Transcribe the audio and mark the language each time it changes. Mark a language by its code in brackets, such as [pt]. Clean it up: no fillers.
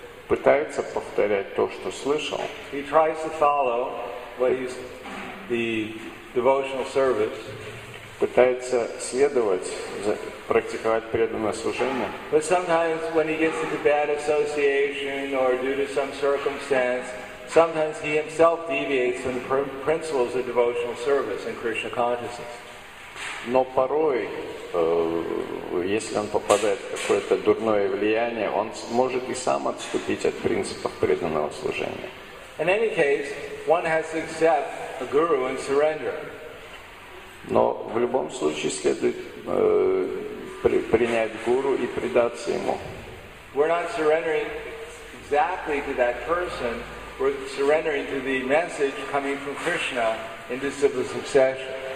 [ru] пытается повторять то, что слышал. [en] He tries to follow what he's, the devotional service. [ru] Пытается следовать, практиковать преданное служение. [en] But sometimes when he gets into bad association or due to some circumstance, sometimes he himself deviates from the principles of devotional service and Krishna consciousness. [ru] Но порой, если он попадает в какое-то дурное влияние, он может и сам отступить от принципов преданного служения. [en] In any case, one has to accept a guru and surrender. [ru] Но в любом случае следует принять гуру и предаться ему. [en] We're not surrendering exactly to that person. We're surrendering to the message coming from Krishna in this simple succession.